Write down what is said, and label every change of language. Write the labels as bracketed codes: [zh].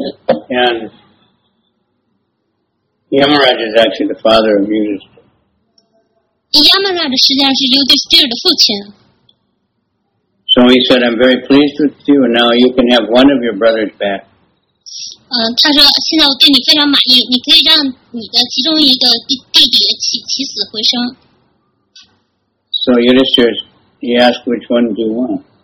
[en] And. Yamaraj is actually the father of Yudhisthira. [zh] Yamaraj 实际上是 Yudhisthira 的父亲。 [en] So he said, I'm very pleased with you, and now you can have one of your brothers back. [zh] 他说现在我对你非常满意，你可以让你的其中一个弟弟起死回生。 [en] So Yudhisthira, he asked, which one do you want?